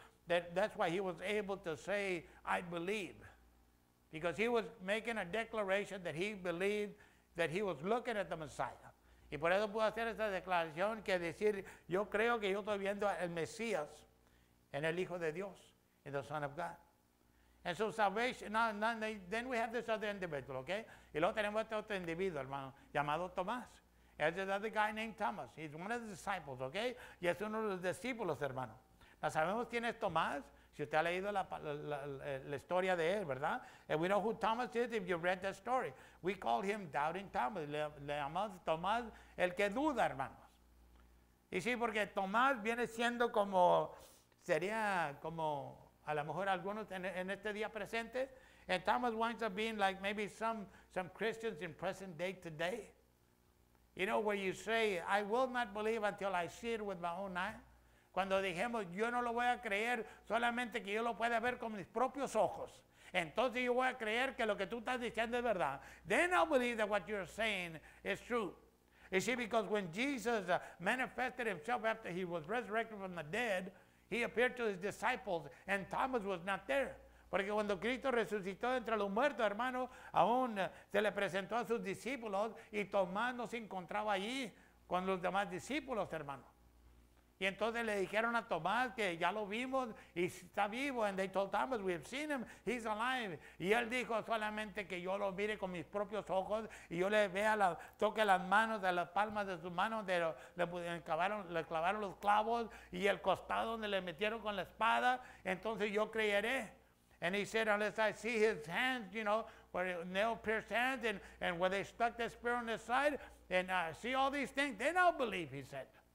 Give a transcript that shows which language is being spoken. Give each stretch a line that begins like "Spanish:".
English: That's why he was able to say, I believe. Because he was making a declaration that he believed that he was looking at the Messiah.
Spanish: Y por eso pudo hacer esta declaración que decir, yo creo que yo estoy viendo al Mesías en el Hijo de Dios, en
English: the Son of God. And so salvation, then we have this other individual, okay?
Spanish: Y luego tenemos este otro individuo, hermano, llamado Tomás.
English: And this other guy named Thomas. He's one of the disciples, okay?
Spanish: Y es uno de los discípulos, hermano. Now, sabemos quién es Tomás, si usted ha leído la historia de él, ¿verdad?
English: And we know who Thomas is if you've read that story. We call him Doubting Thomas.
Spanish: Le llamamos Tomás el que duda, hermanos. Y sí, porque Tomás viene siendo como, sería como a lo mejor algunos en este día presente.
English: And Thomas winds up being like maybe some Christians in present day today. You know, where you say, I will not believe until I see it with my own eyes.
Spanish: Cuando dijimos, yo no lo voy a creer, solamente que yo lo pueda ver con mis propios ojos. Entonces yo voy a creer que lo que tú estás diciendo es verdad.
English: Then I'll believe that what you're saying is true. You see, because when Jesus manifested himself after he was resurrected from the dead, he appeared to his disciples and Thomas was not there.
Spanish: Porque cuando Cristo resucitó entre los muertos, hermano, aún se le presentó a sus discípulos y Tomás no se encontraba allí con los demás discípulos, hermano. Y entonces le dijeron a Tomás que ya lo vimos y está vivo.
English: And they told Thomas, we have seen him, he's alive.
Spanish: Y él dijo solamente que yo lo mire con mis propios ojos y yo le vea, toque las manos, de las palmas de sus manos, le clavaron los clavos y el costado donde le metieron con la espada. Entonces yo creeré.
English: And he said, unless I see his hands, you know, where nail-pierced hands and where they stuck the spear on his side, and I see all these things, then I'll believe, he said.